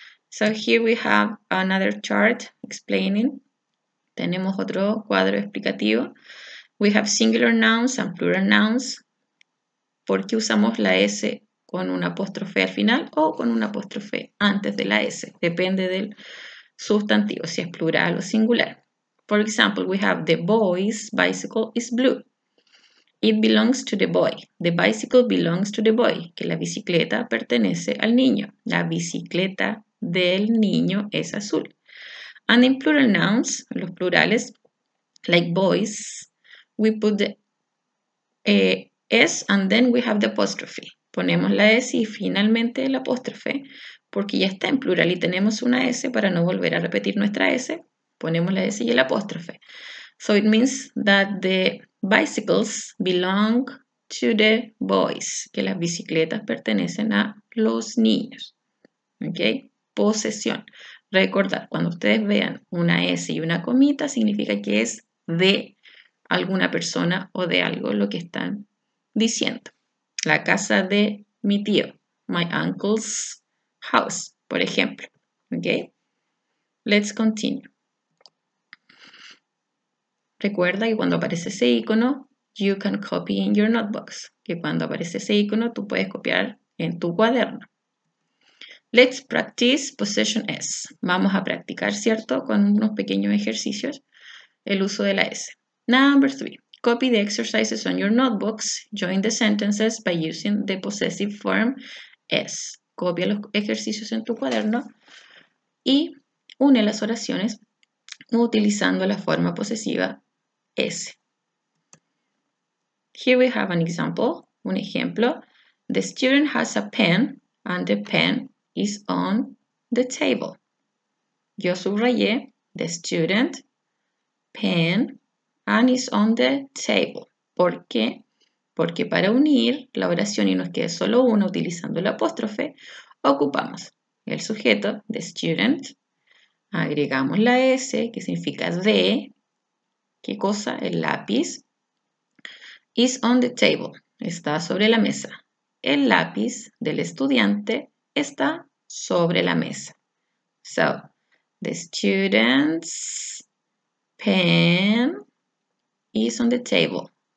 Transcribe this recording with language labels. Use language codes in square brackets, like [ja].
[en] So here we have another chart explaining. [es] Tenemos otro cuadro explicativo. [en] We have singular nouns and plural nouns. [es] ¿Por qué usamos la S con un apóstrofe al final o con un apóstrofe antes de la S? Depende del sustantivo, si es plural o singular. [en] For example, we have the boy's bicycle is blue. It belongs to the boy. The bicycle belongs to the boy. [es] Que la bicicleta pertenece al niño. La bicicleta del niño es azul. [en] And in plural nouns, [es] los plurales, [en] like boys, we put the S and then we have the apostrophe. [es] Ponemos la S y finalmente el apóstrofe, porque ya está en plural y tenemos una S para no volver a repetir nuestra S. Ponemos la S y el apóstrofe. [en] So it means that the bicycles belong to the boys. [es] Que las bicicletas pertenecen a los niños. Okay. Posesión. Recordar, cuando ustedes vean una S y una comita, significa que es de alguna persona o de algo lo que están diciendo. La casa de mi tío. [en] My uncle's house, [es] por ejemplo. [en] Okay? Let's continue. [es] Recuerda que cuando aparece ese icono, [en] you can copy in your notebook. [es] Que cuando aparece ese icono, tú puedes copiar en tu cuaderno. [en] Let's practice possession S. [es] Vamos a practicar, ¿cierto? Con unos pequeños ejercicios, el uso de la S. [en] Number three. Copy the exercises on your notebooks. Join the sentences by using the possessive form S. [es] Copia los ejercicios en tu cuaderno y une las oraciones utilizando la forma posesiva S. [en] Here we have an example, [es] un ejemplo. [en] The student has a pen and the pen is on the table. [es] Yo subrayé [en] the student, pen, and is on the table. [es] ¿Por qué? Porque para unir la oración y nos quede solo una utilizando el apóstrofe, ocupamos el sujeto, [en] the student, [es] agregamos la S, que significa de, ¿qué cosa? El lápiz. [en] Is on the table, [es] está sobre la mesa. El lápiz del estudiante está sobre la mesa. [en] So, the student's pen is on the table.